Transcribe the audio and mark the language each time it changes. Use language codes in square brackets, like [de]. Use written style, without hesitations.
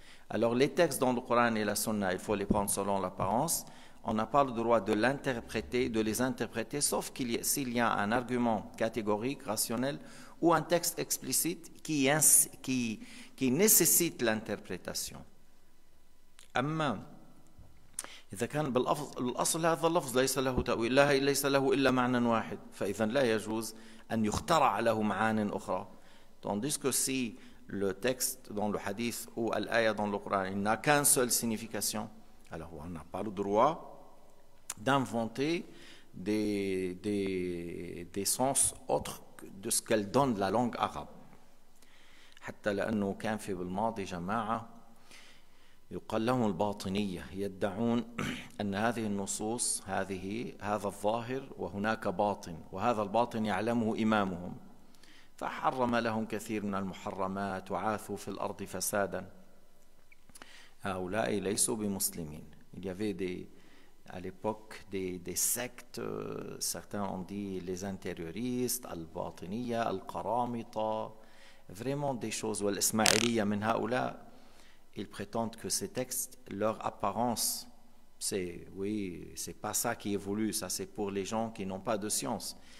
[fr] Alors les textes dans le Coran et la Sunna, il faut les prendre selon l'apparence. On n'a pas le droit de l'interpréter, de les interpréter, sauf s'il y a un argument catégorique, rationnel, ou un texte explicite qui nécessite l'interprétation. [ar] Amma. إذا كان بالأفض الأصل هذا اللفظ ليس له تأويل لا ليس له إلا معنى واحد فإذا لا يجوز أن يخترع له معان أخرى. [fr] Tandis que si le texte dans le hadith ou l'ayah dans le Coran, il n'a qu'une seule signification, alors on n'a pas le droit d'inventer des sens autres de ce qu'elle donne la langue arabe. [ar] حَتَّى لَأَنُّهُ كَانْ فِي بِالْمَاضِ جَمَاعَةً يُقَلْ لَهُمُ الْبَاطِنِيَّةِ يَدَّعُونَ أَنَّ هَذِهِ النُّصُوصِ هذا الظاهر وهناك باطن وهذا الباطن يعلمه إمامهم فحرم لهم كثير من المحرمات وعاثوا في الأرض فسادا هؤلاء ليسوا بمسلمين. [fr] Il y avait à l'époque des sectes, certains ont dit les intérioristes, الباطنية, القرامطة, vraiment des choses, [ar] والإسماعيلية من هؤلاء. [fr] Ils prétendent que ces textes, leur apparence, c'est pas ça qui est voulu, ça c'est pour les gens qui n'ont pas de science.